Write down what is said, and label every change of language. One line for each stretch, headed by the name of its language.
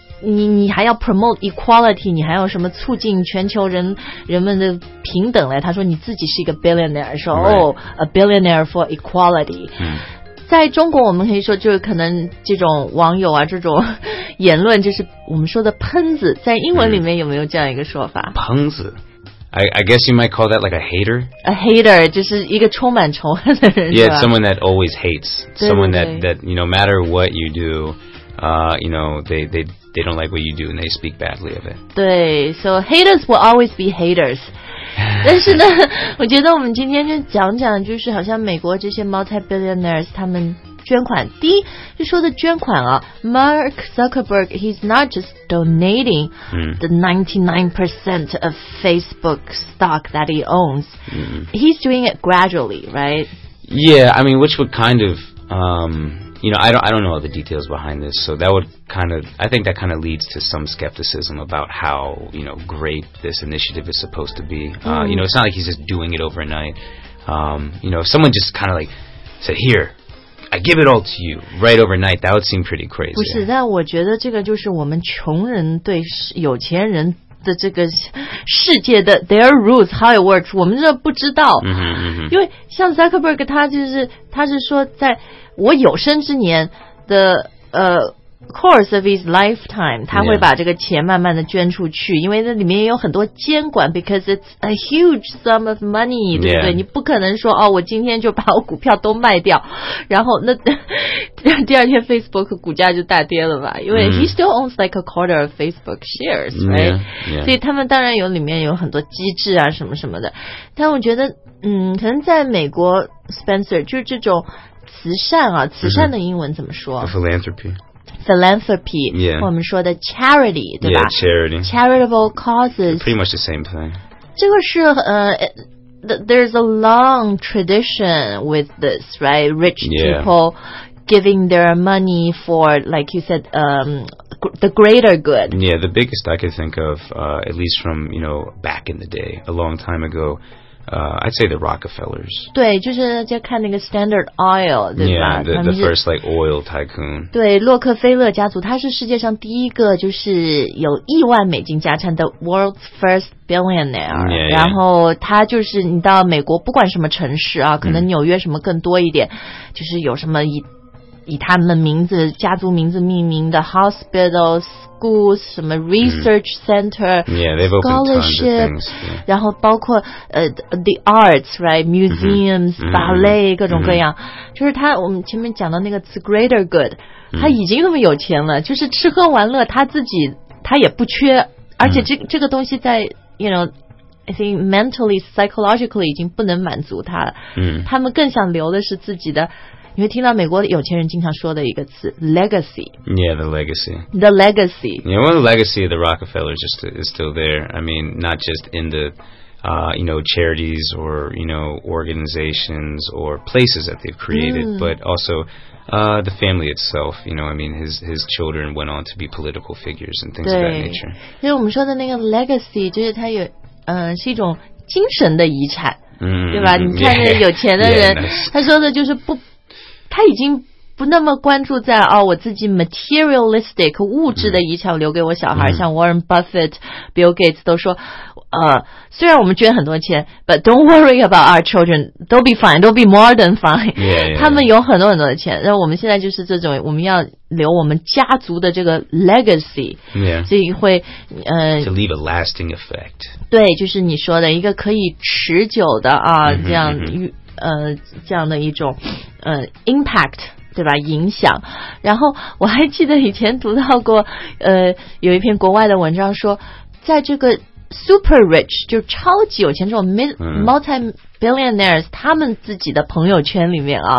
Chinese: 你还要
English: promote equality，
Chinese: 你还要什么促进全球人们的平等嘞？他说你自己是一个 billionaire， 说、
English: right. oh a billionaire for equality。
Chinese: 在中国，我们可以说就是可能这种网友啊，这种言论就是我们说的喷子，在英文里面有没有这样一个说法？喷子。
English: I guess you might call that like a hater.
Chinese: A hater, 就是一个充满仇恨的人，是吧？
English: Yeah, someone that always hates. Someone that you know, matter what you do, you know, they don't like what you do and they speak badly of it. 对， so haters will always be haters.
Chinese: 但是呢，我觉得我们今天就讲讲，就是好像美国这些 multi-billionaires 他们捐款，第一就说的捐款啊，
English: Mark Zuckerberg he's not just donating the 99% of Facebook stock that he owns. He's doing it gradually, right? Yeah, I mean, which would kind of you know, I don't know all the details behind this, so that would kind of, I think that kind of leads to some skepticism about how, you know, great this initiative is supposed to be. You know, it's not like he's just doing it overnight. You know, if someone just kind of like said, here,I give it all to you right overnight. That would seem pretty crazy.
Chinese: 不是，但我觉得这个就是我们穷人对有钱人的这个世界的
English: their rules how it works.
Chinese: 我们这不知道， mm-hmm, mm-hmm. 因为像 Zuckerberg 他是说，在我有生之年的
English: course of his lifetime，
Chinese: 他会把这个钱慢慢的捐出去，
English: yeah.
Chinese: 因为那里面也有很多监管 ，
English: because it's a huge sum of money，
Chinese: 对不对？
English: Yeah.
Chinese: 你不可能说哦，我今天就把我股票都卖掉，然后那第二天 Facebook 股价就大跌了吧？因为
English: he still owns like a quarter of Facebook shares， right？ Yeah. Yeah.
Chinese: 所以他们当然有里面有很多机制啊，什么什么的。但我觉得，可能在美国 ，Spencer 就是这种慈善啊，慈善的英文怎么说
English: ？Philanthropy。 Philanthropy、 yeah.
Chinese: 我们说的 charity 对吧
English: yeah, charity. Charitable causes pretty much the same thing
Chinese: 这个是、
English: there's a long tradition with this right rich、 yeah. people giving their money for like you said、the greater good yeah the biggest I could think of、at least from you know back in the day a long time agoI'd say the Rockefellers.
Chinese: 对，就是就看那个 Standard Oil， 对吧
English: ？Yeah, the first like oil tycoon.
Chinese: 对，洛克菲勒家族，他是世界上第一个就是有亿万美金家产的
English: world's first billionaire. Yeah, yeah.
Chinese: 然后他就是你到美国不管什么城市啊，可能纽约什么更多一点，就是有什么以他们名字家族名字命名的 hospitals schools 什么 research center、
English: yeah, scholarship tons of things,、yeah.
Chinese: 然后包括、
English: the arts right museums、 mm-hmm.
Chinese: 芭蕾、 mm-hmm. 各种各样、 mm-hmm. 就是他我们前面讲的那个
English: the greater good
Chinese: 他已经那么有钱了、 mm-hmm. 就是吃喝玩乐他自己他也不缺而且这个东西在
English: you know I think mentally psychologically
Chinese: 已经不能满足他了、 mm-hmm. 他们更想留的是自己的你会听到美国有钱人经常说的一个词 legacy
English: yeah the legacy the legacy yeah well the legacy of the Rockefellers just is still there I mean not just in the、you know charities or you know organizations or places that they've created、 mm. but also、the family itself you know I mean his children went on to be political figures and things of that nature
Chinese: 因为我们说的那个 legacy 就是它有、是一种精神的遗产、 mm. 对吧你看那有钱的人
English: yeah, yeah,
Chinese: 他说的就是不他已经不那么关注在、哦、我自己 materialistic 物质的遗产留给我小孩、嗯、
English: 像 Warren Buffett Bill Gates
Chinese: 都说、虽然我们捐很多钱
English: but don't worry about our children they'll be fine they'll be more than fine yeah, yeah, yeah.
Chinese: 他们有很多很多的钱那我们现在就是这种我们要留我们家族的这个 legacy、
English: yeah.
Chinese: 所以会、
English: to leave a lasting effect
Chinese: 对就是你说的一个可以持久的、啊、这样、嗯哼哼这样的一种impact 对吧影响然后我还记得以前读到过有一篇国外的文章说在这个 super rich 就超级有钱这种 multi billionaires 他们自己的朋友圈里面啊、